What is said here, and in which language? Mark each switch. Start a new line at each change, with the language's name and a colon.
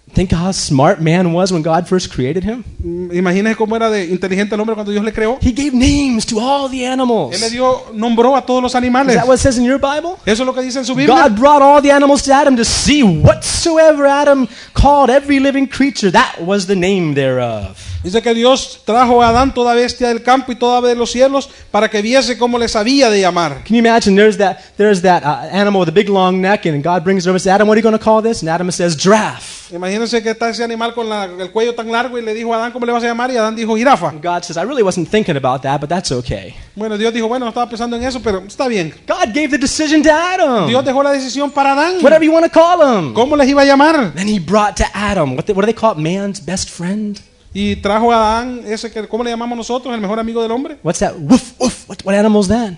English: Think how smart man was when God first created him.
Spanish: Imagina cómo era de inteligente el hombre cuando Dios le creó.
English: He gave names to all the animals.
Spanish: Él le dio nombró a todos los animales.
English: Is that what it says in your Bible?
Spanish: Eso es lo que dice en su Biblia.
English: God brought all the animals to Adam to see whatsoever Adam called every living creature. That was the name thereof.
Spanish: Dice que Dios trajo a Adán toda bestia del campo y toda ave de los cielos para que viese cómo les había de llamar.
English: Can you imagine? There's that animal with a big long neck, and God brings it over to Adam. What are you going to call this? And Adam says, giraffe.
Spanish: Imagina acuérdense que está ese animal con el cuello tan largo y le dijo a Adán cómo le vas a llamar y Adán dijo jirafa.
English: God says, I really wasn't thinking about that, but that's okay.
Spanish: Bueno, Dios dijo, bueno, no estaba pensando en eso, pero está bien.
English: God gave the decision to Adam.
Spanish: Dios dejó la decisión para Adán.
English: Whatever you want to call him.
Spanish: ¿Cómo les iba a llamar?
English: Then he brought to Adam. What do they call it? Man's best friend?
Spanish: Y trajo a Adán ese que ¿cómo le llamamos nosotros? El mejor amigo del hombre.
English: What's that? Woof woof. What animal is that?